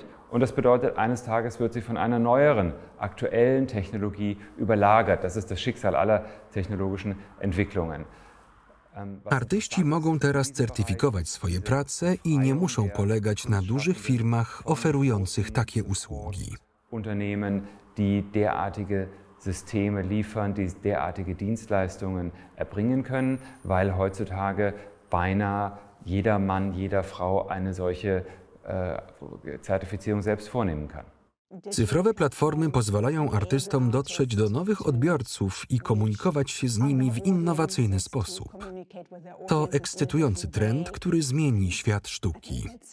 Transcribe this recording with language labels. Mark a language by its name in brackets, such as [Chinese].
[German] Und das bedeutet, eines Tages wird sie von einer neueren, aktuellen Technologie überlagert. Das ist das Schicksal aller technologischen Entwicklungen. [Polish] Artyści mogą teraz certyfikować swoje prace i nie muszą polegać na dużych firmach oferujących takie usługi. [German] Unternehmen, die derartige Systeme liefern, die derartige Dienstleistungen erbringen können, weil heutzutage beinahe jeder Mann, jeder Frau eine solche Zertifizierung selbst vornehmen kann. [Polish] Cyfrowe platformy pozwalają artystom dotrzeć do nowych odbiorców i komunikować się z nimi w innowacyjny sposób. To ekscytujący trend, który zmieni świat sztuki.